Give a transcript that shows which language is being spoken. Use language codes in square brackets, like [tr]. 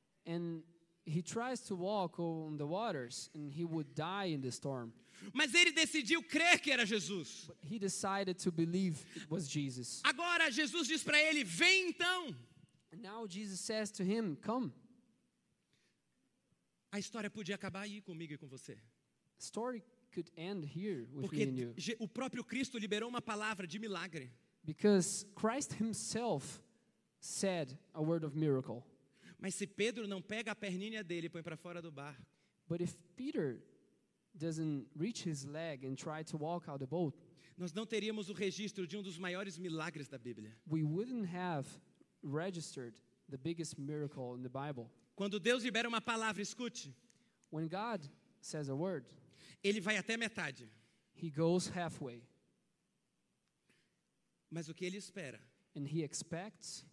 [en] And he tries to walk on the waters and he would die in the storm. [pt] Mas ele decidiu crer que era Jesus. [en] But he decided to believe it was Jesus. [pt] Agora Jesus diz para ele, vem então. [en] And now Jesus says to him, come. [pt] A história podia acabar aí comigo e com você. [en] Story could end here with [pt] porque [en] me and you. [pt] O próprio Cristo liberou uma palavra de milagre. [en] Because Christ himself said a word of miracle. [pt] Mas se Pedro não pega a perninha dele e põe para fora do barco. [en] But if Peter doesn't reach his leg and try to walk out the boat. [pt] Nós não teríamos o registro de um dos maiores milagres da Bíblia. [en] We wouldn't have registered the biggest miracle in the Bible. [pt] Quando Deus libera uma palavra, escute. [en] When God says a word, [pt] ele vai até metade. [en] He goes halfway. [pt] Mas o que ele espera? [en] And he expects